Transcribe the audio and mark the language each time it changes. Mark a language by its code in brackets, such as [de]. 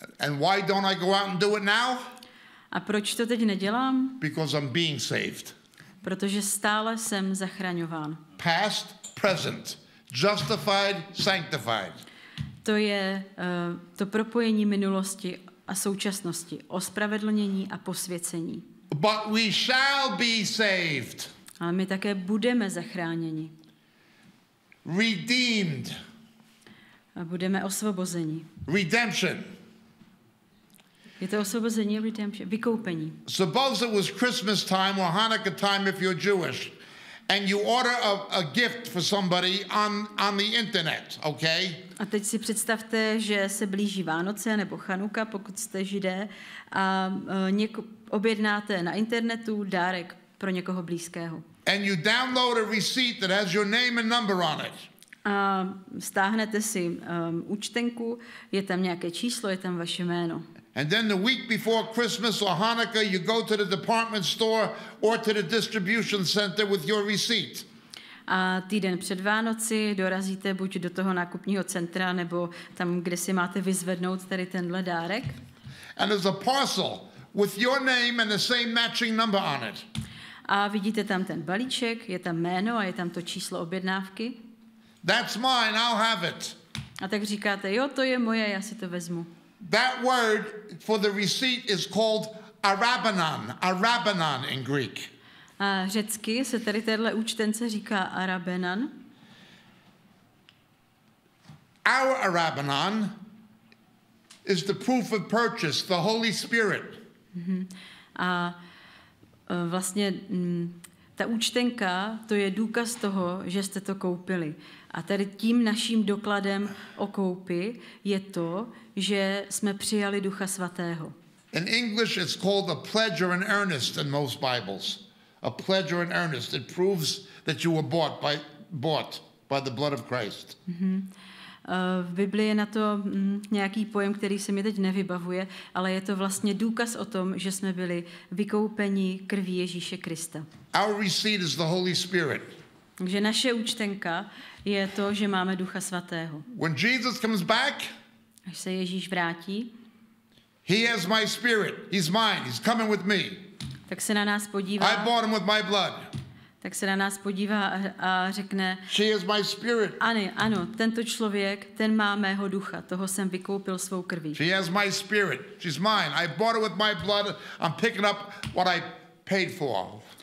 [en] And why don't I go out and do it now? [cs] A proč to teď nedělám? [en] Because I'm being saved. [cs] Protože stále jsem zachraňován. [en] Past, present, justified, sanctified. [cs] To je to propojení minulosti, a současnosti, ospravedlnění a posvěcení. [en] But we shall be saved. [cs] Ale my také budeme zachráněni. [en] Redeemed. [cs] A budeme osvobozeni. [en] Redemption. [cs] Je to osvobození, redemption, vykoupení. [en] Suppose it was Christmas time or Hanukkah time if you're Jewish, and you order a gift for somebody on the internet, okay? [cs] A teď si představte, že se blíží Vánoce nebo Chanuka, pokud jste Židé, a objednáte na internetu dárek pro někoho blízkého. [en] And you download a receipt that has your name and number on it. [cs] A stáhnete si účtenku, je tam nějaké číslo, je tam vaše jméno. [en] And then the week before Christmas or Hanukkah, you go to the department store or to the distribution center with your receipt. [cs] A týden před Vánoci dorazíte buď do toho nákupního centra nebo tam, kde si máte vyzvednout tady tenhle dárek. [en] And there's a parcel with your name and the same matching number on it. [cs] A vidíte tam ten balíček, je tam jméno a je tam to číslo objednávky. [en] That's mine, I'll have it. [cs] A tak říkáte, jo, to je moje, já si to vezmu. [en] That word for the receipt is called arabanon, arabanon in Greek. [cs] A řecky se tady téhle účtence říká arabanon. [en] Our arabanon is the proof of purchase, the Holy Spirit. [cs] A vlastně ta účtenka, to je důkaz toho, že jste to koupili. A tady tím naším dokladem o koupi je to, že jsme přijali Ducha Svatého. [en] In English it's called a pledge or an earnest in most Bibles. A pledge or an earnest. It proves that you were bought by the blood of Christ. Mm-hmm. [cs] V Biblii je na to nějaký pojem, který se mi teď nevybavuje, ale je to vlastně důkaz o tom, že jsme byli vykoupeni krví Ježíše Krista. [en] Our receipt is the Holy Spirit. [cs] Takže naše účtenka je to, že máme Ducha Svatého. [en] When Jesus comes back, [cs] až se Ježíš vrátí, [en] he has my spirit, he's mine, he's coming with me. [cs] Tak se na nás podívá. [en] I bought him with my blood. [cs] Tak se na nás podívá a řekne, [en] she is my spirit. [cs] Ano, tento člověk, ten má mého ducha, toho jsem vykoupil svou krví. [en] She has my spirit, she's mine. I bought it with my blood, I'm picking up what I paid for.